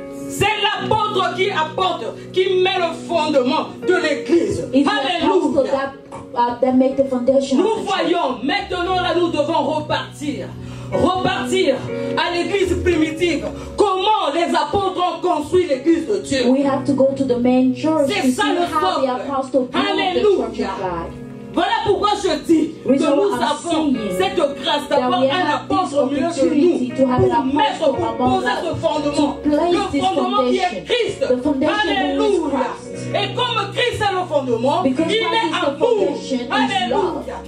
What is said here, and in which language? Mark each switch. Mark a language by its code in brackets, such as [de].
[fr] C'est l'apôtre qui apporte, qui met le fondement de l'église. Alléluia. Nous voyons maintenant là, nous devons repartir à l'église primitive. Comment les apôtres ont construit l'église de Dieu? [en] We have to go to the main church. [fr] C'est ça le [en] how the apostles built the church of God. [fr] Voilà pourquoi je dis [en] we [fr] que nous avons cette grâce d'avoir un apôtre au milieu de nous pour mettre, pour poser ce fondement, le fondement qui est Christ. Alléluia. Et comme Christ est le fondement, [en] because [fr] il met amour. Alléluia.